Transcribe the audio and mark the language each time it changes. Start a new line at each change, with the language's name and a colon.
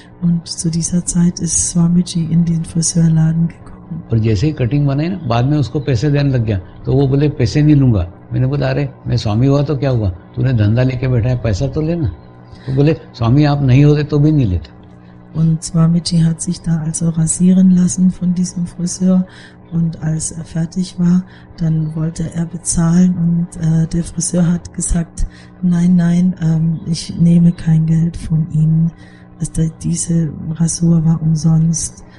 German: Und zu dieser Zeit ist Swamiji in den Friseurladen gekommen.
Hindi: Und jaise hi cutting banai na, baad mein usko paise dene lag gaya, to wo bole paise nahi lunga. मैंने बोला, अरे मैं स्वामी हुआ तो क्या हुआ, तूने धंधा लेके बैठा है, पैसा तो लेना। तो बोले, स्वामी आप नहीं होते तो भी नहीं लेता।
German: Und Swamiji hat sich da also rasieren lassen von diesem Friseur und als fertig war, dann wollte bezahlen und der Friseur hat gesagt, nein, ich nehme kein Geld von Ihnen, also diese Rasur war umsonst.